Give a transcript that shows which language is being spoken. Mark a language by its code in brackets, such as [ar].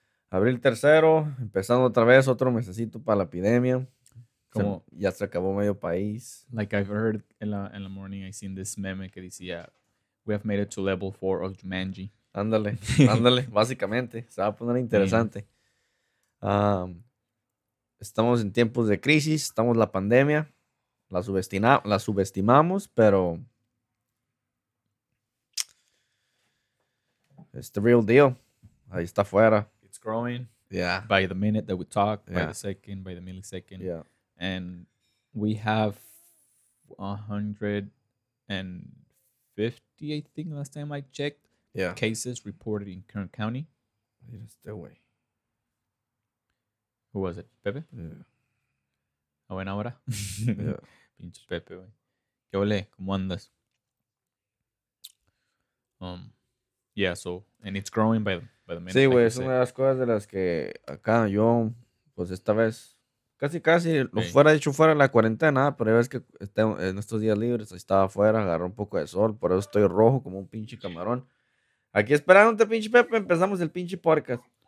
[es] Abril 3, empezando otra vez, otro mesecito para la epidemia. Como ya se acabó medio país. [en] Like I've heard in the morning, I seen this meme [es] que decía, [en] we have made it to level 4 of Jumanji. [es] Ándale, ándale, básicamente. Se va a poner interesante. Yeah. Estamos en tiempos de crisis, estamos en la pandemia, la subestimamos, pero [en] it's the real deal, [es] ahí está afuera. [en] It's growing. Yeah. By the minute that we talk, yeah. by the millisecond. Yeah. And we have 150, I think, last time I checked, yeah, cases reported in Kern County. It is the way. Who was it? Pepe? Yeah. [es] ¿A buena hora? [en] Yeah. [es] Pinche Pepe, güey. ¿Qué olé? ¿Cómo andas? [en] Yeah, so, and it's growing by the minute. [es] Sí, güey, es una de las cosas de las que acá yo, pues esta vez, casi, lo fuera dicho fuera de la cuarentena, pero ya ves que en estos días libres estaba afuera, agarró un poco de sol, por eso estoy rojo como un pinche camarón. Aquí esperándote, pinche Pepe, empezamos el pinche podcast.